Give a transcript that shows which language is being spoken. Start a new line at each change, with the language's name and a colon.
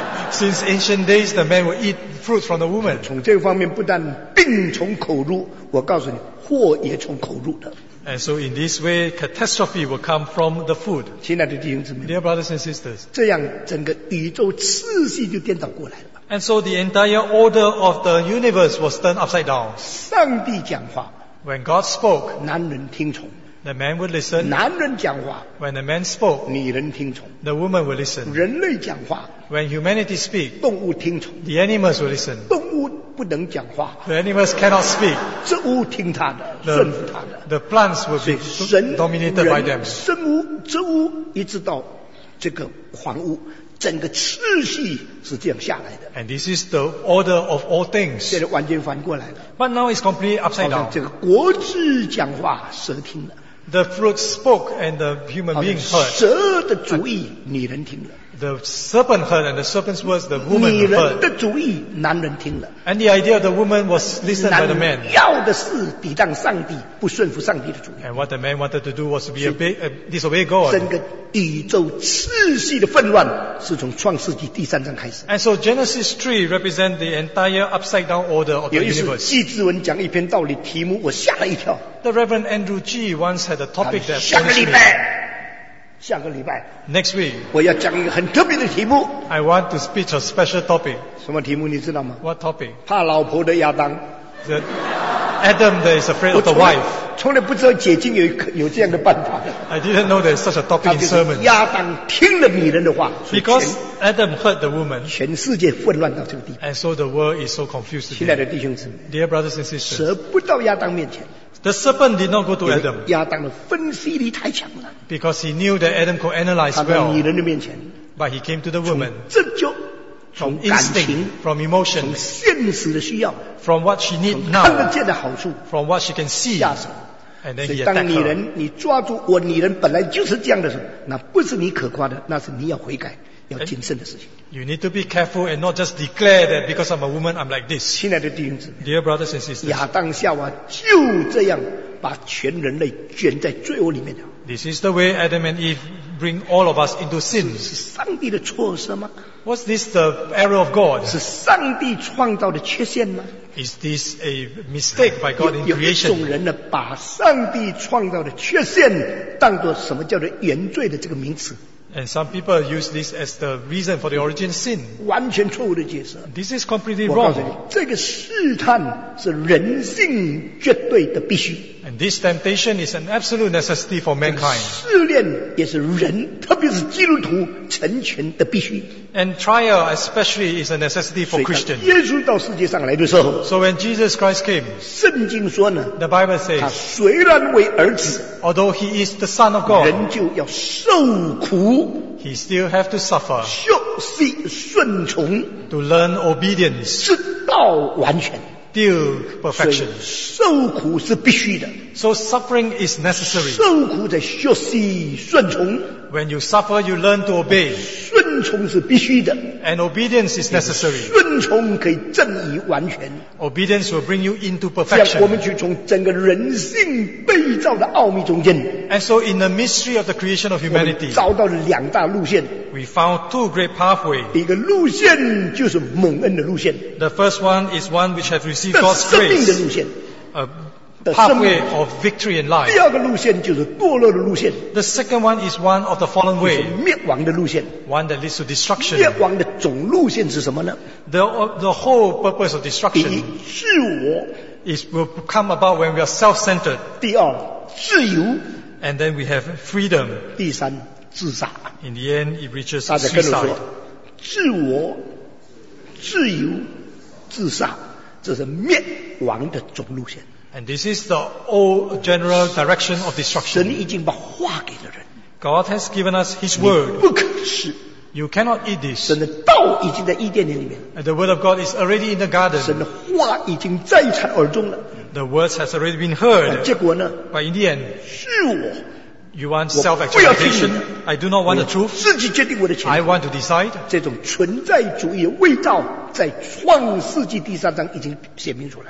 English: Since ancient days, the men would eat fruits from the woman.
Chinese: 从这方面，不但病从口入，我告诉你，祸也从口入的。
English: And so in this way, catastrophe will come from the food.
Chinese: 亲爱的弟兄姊妹
English: ，Dear brothers and sisters,
Chinese: 这样整个宇宙次序就颠倒过来了。
English: And so the entire order of the universe was turned upside down.
Chinese: 上帝讲话
English: ，When God spoke,
Chinese: 男人听从。
English: The man would listen.
Chinese: 男人讲话。
English: When the man spoke,
Chinese: 女人听从。
English: The woman would listen.
Chinese: 人类讲话。
English: When humanity speak,
Chinese: 动物听从。
English: The animals would listen.
Chinese: 动物不能讲话。
English: The animals cannot speak.
Chinese: 植物听他的，顺服他的。
English: The plants would be dominated by them.
Chinese: 生物、植物一直到这个狂物，整个次序是这样下来的。
English: And this is the order of all things.
Chinese: 现在完全反过来了。
English: But now it's completely upside down.
Chinese: 这个果子讲话，蛇听了。
English: The fruit spoke and the human being heard.
Chinese: 蛇的主意女人听了。
English: The serpent heard and the serpent's words the woman heard.
Chinese: 女人的主意男人听了。
English: And the idea of the woman was listened by the man.
Chinese: 男人要的是抵挡上帝，不顺服上帝的主意。
English: And what the man wanted to do was to be disobey God.
Chinese: 整个宇宙次序的混乱是从创世纪第三章开始。
English: And so Genesis 3 represents the entire upside down order of the universe.
Chinese: 有一次纪志文讲一篇道理题目，我吓了一跳。
English: The Reverend Andrew G. once had a topic that astonished me.
Chinese: 下个礼拜
English: Next week,
Chinese: 我要讲一个很特别的题目。
English: I want to speak a special topic.
Chinese: 什么题目你知道吗？
English: What topic?
Chinese: 怕老婆的亚当。
English: The Adam that is afraid of the wife.
Chinese: 从来不知道解经有这样的办法。
English: I didn't know there's such a topic in sermon.
Chinese: 亚当听了女人的话。
English: Because Adam heard the woman.
Chinese: 全世界混乱到这个地步。
English: And so the world is so confused.
Chinese: 亲爱的弟兄姊妹。
English: Dear brothers and sisters.
Chinese: 蛇不到亚当面前。
English: The serpent did not go to Adam.
Chinese: 亚当的分析力太强了。
English: Because he knew that Adam could analyze well.
Chinese: 他在女人的面前。
English: But he came to the woman.
Chinese: 从直觉，从感情，
English: from emotion,
Chinese: 从现实的需要，
English: from what she need now,
Chinese: 看得见的好处，
English: from what she can see,
Chinese: 下手。
English: And then
Chinese: 所以当女人，你抓住我女人本来就是这样的时候，那不是你可夸的，那是你要悔改。要谨慎的事情。
English: You need to be careful and not just declare that because I'm a woman I'm like this.
Chinese: 亲爱的弟兄姊妹。
English: Dear brothers and sisters.
Chinese: 亚当夏娃就这样把全人类卷在罪恶里面了。
English: This is the way Adam and Eve bring all of us into sin.
Chinese: 是上帝的错失吗？
English: Was this the error of God?
Chinese: 是上帝创造的缺陷吗？
English: Is this a mistake by God in creation?
Chinese: 有一种人呢，把上帝创造的缺陷当作什么叫做原罪的这个名词。
English: And some people use this as the reason for the origin sin.
Chinese: 完全错误的解释。
English: This is completely wrong.
Chinese: 我告诉你，这个试探是人性绝对的必须。
English: And this temptation is an absolute necessity for mankind.
Chinese: 试炼也是人，特别是基督徒成全的必须。
English: And trial especially is a necessity for Christians.
Chinese: 耶稣到世界上来的时候，
English: So when Jesus Christ came,
Chinese: 圣经说呢，
English: The Bible says,
Chinese: 他虽然为儿子，
English: Although he is the son of God,
Chinese: 人就要受苦，
English: He still have to suffer,
Chinese: 学习顺从，
English: To learn obedience,
Chinese: 直到完全。
English: Deal perfection.
Chinese: 受苦是必须的。
English: So suffering is necessary.
Chinese: 受苦在学习顺从。
English: When you suffer, you learn to obey.
Chinese: 顺从是必须的。
English: And obedience is necessary.
Chinese: 顺从可以正义完全。
English: Obedience will bring you into perfection.
Chinese: 这样我们就从整个人性被造的奥秘中间。
English: And so in the mystery of the creation of humanity,
Chinese: 我们找到了两大路线。
English: We found two great pathways.
Chinese: 一个路线就是蒙恩的路线。
English: The first one is one which has received God's grace.
Chinese: 生命的路线。
English: Pathway of victory in life.
Chinese: 第二个路线就是堕落的路线。
English: The second one is one of the fallen way.
Chinese: 就是灭亡的路线。
English: One that leads to destruction.
Chinese: 灭亡的总路线是什么呢？
English: The whole purpose of destruction.
Chinese: 第一，自我。
English: It will come about when we are self-centered.
Chinese: 第二，自由。
English: And then we have freedom.
Chinese: 第三，自杀。
English: In the end, it reaches suicide.
Chinese: 自我、自由、自杀。这是灭亡的总路线。
English: And this is the old general direction of destruction.
Chinese: 神已经把话给了人。
English: God has given us His word.
Chinese: 不可吃。
English: You cannot eat this.
Chinese: 神的道已经在伊甸园里面。
English: And the word of God is already in the garden.
Chinese: 神的话已经在传耳中了。
English: The words has already been heard.
Chinese: 结果呢？
English: But in the end,
Chinese: 是我。
English: You want self-exaltation? I do not want the truth.
Chinese: 自己决定我的前途。
English: I want to decide.
Chinese: 这种存在主义的味道在创世纪第三章已经显明出来。